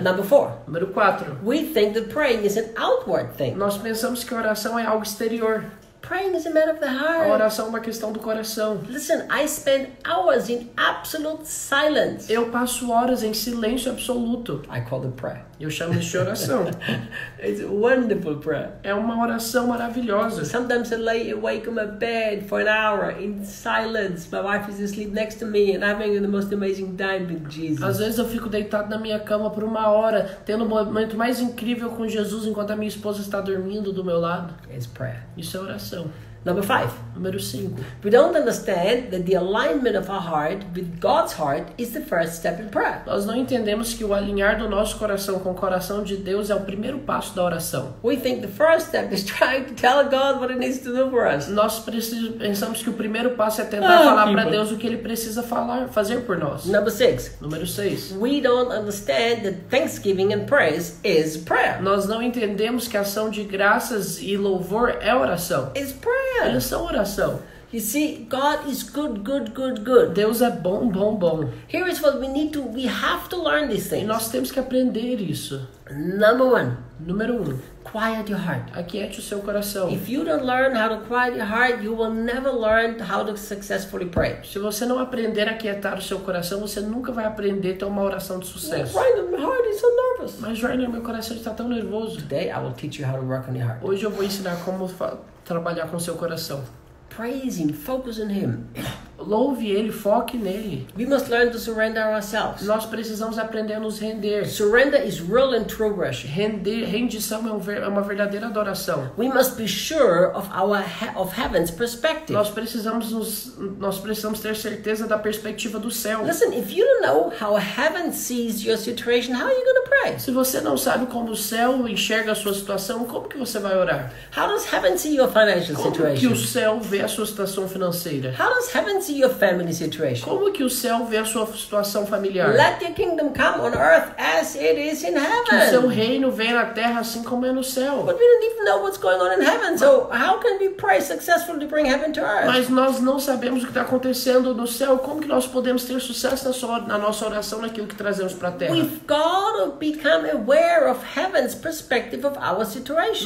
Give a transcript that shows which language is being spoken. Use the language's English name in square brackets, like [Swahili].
[English] Number 4. [Portuguese] Número 4. [English] We think that praying is an outward thing. [Portuguese] Nós pensamos que oração é algo exterior. [English] Praying is a matter of the heart. [Portuguese] A oração é uma questão do coração. [English] Listen, I spend hours in absolute silence. [Portuguese] Eu passo horas em silêncio absoluto. [English] I call it prayer. [Portuguese] Eu chamo isso de oração. [English] It's a wonderful prayer. [Portuguese] É uma oração maravilhosa. [English] Sometimes I lay awake on my bed for an hour in silence. My wife is asleep next to me and I'm having the most amazing time with Jesus. [Portuguese] Às vezes eu fico deitado na minha cama por uma hora, tendo o momento mais incrível com Jesus enquanto a minha esposa está dormindo do meu lado. [English] It's prayer. [Portuguese] Isso é oração. [English] Number five. [Portuguese] Número cinco. [English] We don't understand that the alignment of our heart with God's heart is the first step in prayer. [Portuguese] Nós não entendemos que o alinhar do nosso coração com o coração de Deus é o primeiro passo da oração. [English] We think the first step is trying to tell God what He needs to do for us. [Portuguese] Nós pensamos que o primeiro passo é tentar falar para Deus o que Ele precisa falar, fazer por nós. [English] Number six. [Portuguese] Número seis. [English] We don't understand that thanksgiving and praise is prayer. [Portuguese] Nós não entendemos que a ação de graças e louvor é oração. [English] It's prayer. [Portuguese] Eles são oração. [English] You see, God is good, good, good, good. [Portuguese] Deus é bom, bom, bom. [English] Here is what we need to, we have to learn these things. [Portuguese] E nós temos que aprender isso. [English] Number one. [Portuguese] Número um. [English] Quiet your heart. [Portuguese] Aquiete o seu coração. [English] If you don't learn how to quiet your heart, you will never learn how to successfully pray. [Portuguese] Se você não aprender a aquietar o seu coração, você nunca vai aprender a ter uma oração de sucesso. [English] Well, Reinhard, my heart is so nervous. [Portuguese] Mas Reinhard, meu coração está tão nervoso. [English] Today I will teach you how to work on your heart. [Portuguese] Hoje eu vou ensinar como trabalhar com o seu coração. [English] Praise Him, focus on Him. [Portuguese] Louve Ele, foque nele. [English] We must learn to surrender ourselves. [Portuguese] Nós precisamos aprender a nos render. [English] Surrender is real and true worship. [Portuguese] Rendição é uma verdadeira adoração. [English] We must be sure of of heaven's perspective. [Portuguese] Nós precisamos ter certeza da perspectiva do céu. [English] Listen, if you don't know how heaven sees your situation, how are you going to pray? [Portuguese] Se você não sabe como o céu enxerga a sua situação, como que você vai orar? [English] How does heaven see your financial situation? [Portuguese] Como que o céu vê a sua situação financeira? [English] How does heaven see your family situation? [Portuguese] Como que o céu vê a sua situação familiar? [English] Let your kingdom come on earth as it is in heaven. [Portuguese] Que o seu reino venha na terra assim como é no céu. [English] But we don't even know what's going on in heaven. So how can we pray successfully to bring heaven to earth? [Portuguese] Mas nós não sabemos o que está acontecendo no céu. Como que nós podemos ter sucesso na nossa oração naquilo que trazemos para a terra? [English] We've got to become aware of heaven's perspective of our situation.